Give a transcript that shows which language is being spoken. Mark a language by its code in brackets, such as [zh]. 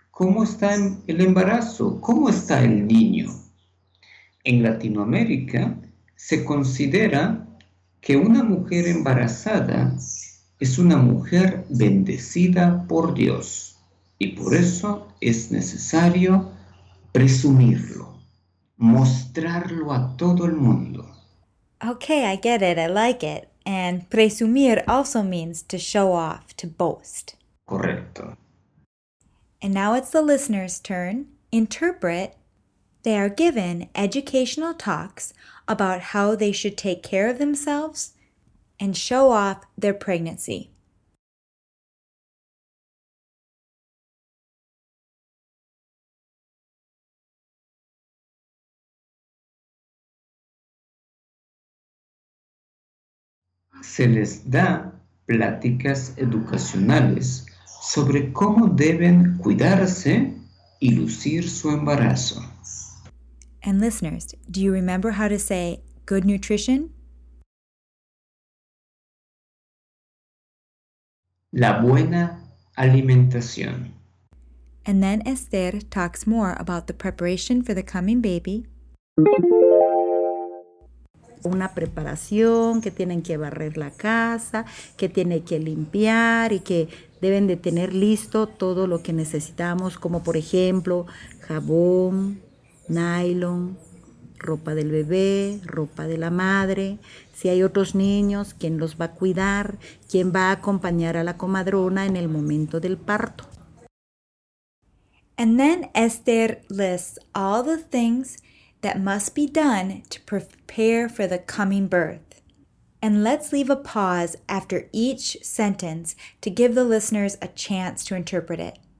[es] ¿Cómo está el embarazo? ¿Cómo está el niño? En Latinoamérica se considera que una mujer embarazada es una mujer bendecida por Dios y por eso es necesario presumirlo, mostrarlo a todo el mundo. [en] Okay, I get it, I like it. And presumir also means to show off, to boast. [es] Correcto. [en] And now it's the listener's turn. Interpret. They are given educational talks about how they should take care of themselves and show off their pregnancy. [es] Se les da pláticas educacionales sobre cómo deben cuidarse y lucir su embarazo. [en] And listeners, do you remember how to say good nutrition? [es] La buena alimentación. [en] And then Esther talks more about the preparation for the coming baby. [es] Una preparación, que tienen que barrer la casa, que tiene que limpiar y que deben de tener listo todo lo que necesitamos, como por ejemplo, jabón, nylon, ropa del bebé, ropa de la madre, si hay otros niños, ¿quién los va a cuidar? ¿Quién va a acompañar a la comadrona en el momento del parto? [en] And then Esther lists all the things that must be done to prepare for the coming birth. And let's leave a pause after each sentence to give the listeners a chance to interpret it.